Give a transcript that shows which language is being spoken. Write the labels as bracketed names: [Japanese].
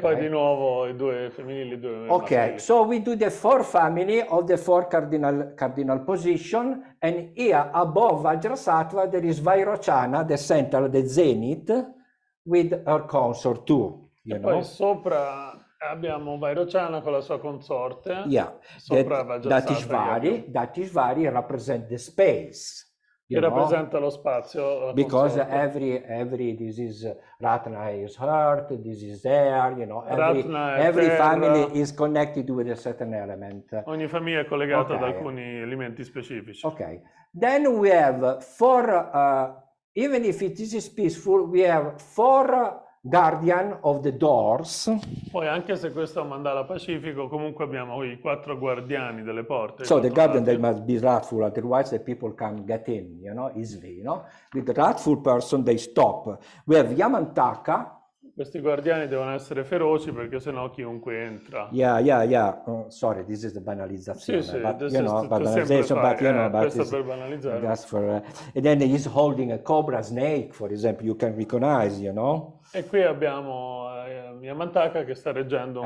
[Italian] Poi di nuovo i due femminili, i due maschili. [English] Ok, so we do the 4 families of the 4 cardinal position, and here above Vajrasattva there is Vairochana, the center, the zenith, with her consort too. [Italian] E poi sopra abbiamo Vairochana con la sua consorte, sopra Vajrasattva. Dattisvari rappresenta [English] the space. [Italian] Che rappresenta lo spazio. [English] Because every this is Ratna is earth, this is air, you know. Every family is connected with a certain element. [Italian] Ogni famiglia è collegata ad alcuni elementi specifici. [English] Ok. Then we have 4, even if it is peaceful, we have 4 guardian of the doors. [Italian] Poi anche se questo è un mandala pacifico, comunque abbiamo i 4 guardiani delle porte. [English] So the guardian they must be wrathful, otherwise the people can get in, you know, easily, you know. With the wrathful person they stop. We have Yamantaka. [Italian] Questi guardiani devono essere feroci perché sennò chiunque entra. [English] Yeah. Sorry, this is the banalizzazione. Sì, but, you know, banalization, but you know, but [Italian] questo per banalizzare. [English] That's for, and then he's holding a cobra snake, for example, you can recognize, you know. [Italian] E qui abbiamo Yamantaka che sta reggendo un